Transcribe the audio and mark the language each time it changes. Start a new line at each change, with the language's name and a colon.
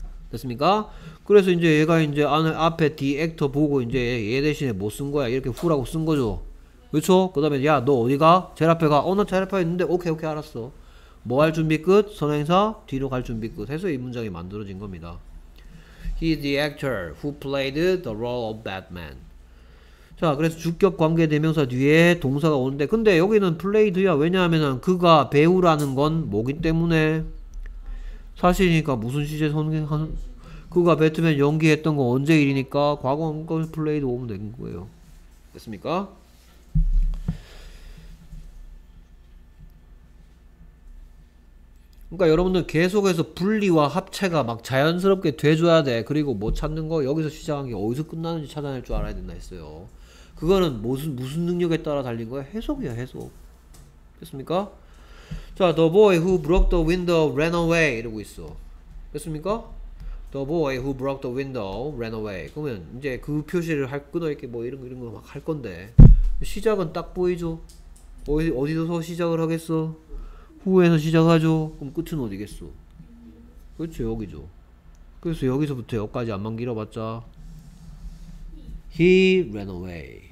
Korean: 됐습니까? 그래서 이제 얘가 이제 앞에 The actor 보고 이제 얘 대신에 뭐 쓴 거야? 이렇게 후라고 쓴 거죠. 그쵸? 그 다음에 야, 너 어디가? 제일 앞에 가. 어, 나 제일 앞에 있는데. 오케이 오케이 알았어. 뭐 할 준비 끝? 선행사 뒤로 갈 준비 끝. 해서 이 문장이 만들어진 겁니다.
English: He is the actor who played the role of Batman.
Korean: 자, 그래서 주격 관계 대명사 뒤에 동사가 오는데, 근데 여기는 played야. 왜냐하면 그가 배우라는 건 뭐기 때문에 사실이니까 무슨 시제 선행한 그가 배트맨 연기했던 건 언제 일이니까 과거 건 played 오면 된 거예요. 됐습니까? 그러니까 여러분들 계속해서 분리와 합체가 막 자연스럽게 돼줘야 돼. 그리고 뭐 찾는 거, 여기서 시작한 게 어디서 끝나는지 찾아낼 줄 알아야 된다 했어요. 그거는 무슨 능력에 따라 달린 거야? 해석이야, 해석. 됐습니까? 자,
English: The boy who broke the window ran away
Korean: 이러고 있어. 됐습니까?
English: The boy who broke the window ran away.
Korean: 그러면 이제 그 표시를 할 끊어 이렇게 뭐 이런 거 막 할 건데, 시작은 딱 보이죠? 어디서 시작을 하겠어? 후에서 시작하죠? 그럼 끝은 어디겠어? 그렇죠, 여기죠. 그래서 여기서부터 여기까지 안만 길어봤자
English: He ran away.